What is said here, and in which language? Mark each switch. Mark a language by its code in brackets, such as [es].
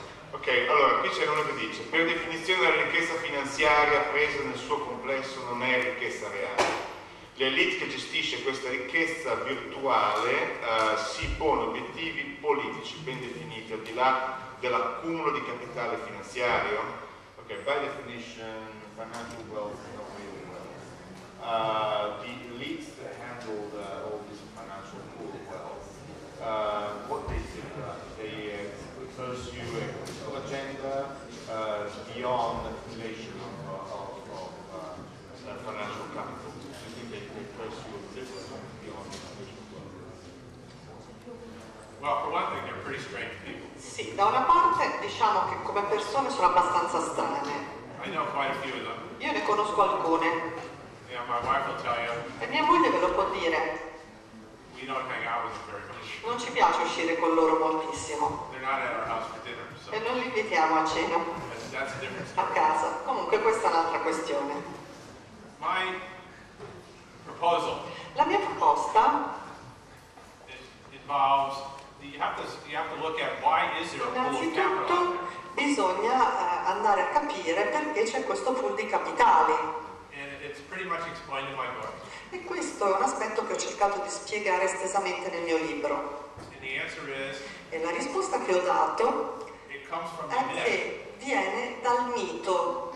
[it] Ok, allora qui c'è uno che dice, per definizione la ricchezza finanziaria presa nel suo complesso non è ricchezza reale. L'elite che gestisce questa ricchezza virtuale si pone obiettivi politici ben definiti al di là dell'accumulo di capitale finanziario. [en] Ok, by definition, financial wealth is not really wealth. The elites that handle all this financial pool of wealth, what they do, they pursue an agenda beyond the accumulation of financial capital. I think they pursue a different one beyond the financial wealth. Well, for one thing, they're pretty strange people. [it] Sì, da una parte diciamo che come persone sono abbastanza strane. [en] I know quite a few of them. [it] Io ne conosco alcune. [en] Yeah, my wife will tell you. [it] E mia moglie ve lo può dire. [en] We don't hang out with them very much. [it] Non ci piace uscire con loro moltissimo. [en] They're not at our house for dinner, so. [it] E non li invitiamo a cena. [en] That's a different story. [it] A casa. Comunque questa è un'altra questione. [en] My proposal. [it] La mia proposta. [en] Involves. You have to look at why is there a pool of capital. [it] Bisogna andare a capire perché c'è questo pool di capitali. [en] It's pretty much explained in my book. [it] E questo è un aspetto che ho cercato di spiegare estesamente nel mio libro. [en] And the answer is, [it] e la risposta che ho dato [en] it comes from [it] è che viene dal mito,